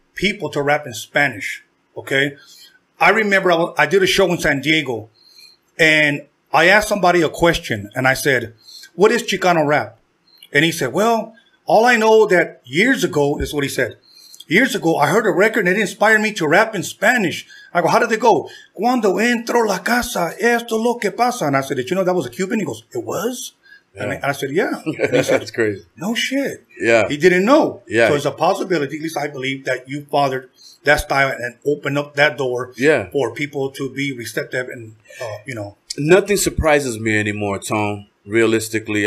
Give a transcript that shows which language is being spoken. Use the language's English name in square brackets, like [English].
[English] people to rap in Spanish, okay? I remember I did a show in San Diego, and I asked somebody a question, and I said, what is Chicano rap? And he said, well, all I know that years ago, this is what he said, years ago, I heard a record, and it inspired me to rap in Spanish. I go, how did it go? [Spanish] Cuando entro la casa, esto lo que pasa. [English] And I said, did you know that was a Cuban? He goes, it was? Yeah. And I said, yeah. And he said, that's crazy. No shit. Yeah. He didn't know. Yeah. So it's a possibility, at least I believe, that you fathered that style and opened up that door for people to be receptive and, you know. Nothing surprises me anymore, Tone, realistically.